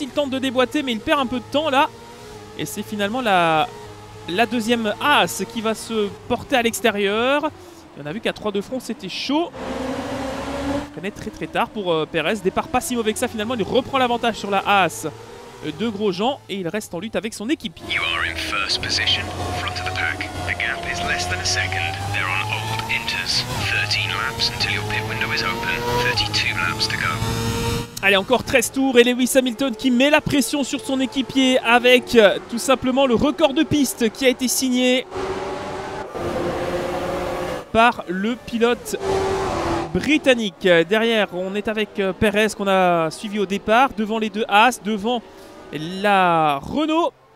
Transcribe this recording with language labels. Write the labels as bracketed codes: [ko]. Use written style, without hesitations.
[fr] Il tente de déboîter, mais il perd un peu de temps, là. Et c'est finalement la deuxième As qui va se porter à l'extérieur. Et on a vu qu'à 3 de front, c'était chaud. On connaît très très tard pour Perez. Départ pas si mauvais que ça, finalement. Il reprend l'avantage sur la As de Grosjean et il reste en lutte avec son équipe. [en] You are in first position, front of the pack. The gap is less than a second. They're on old inters. 13 laps until your pit window is open. 32 laps to go. [fr] Allez, encore 13 tours et Lewis Hamilton qui met la pression sur son équipier avec tout simplement le record de piste qui a été signé par le pilote britannique. Derrière, on est avec Perez qu'on a suivi au départ, devant les deux As, devant la Renault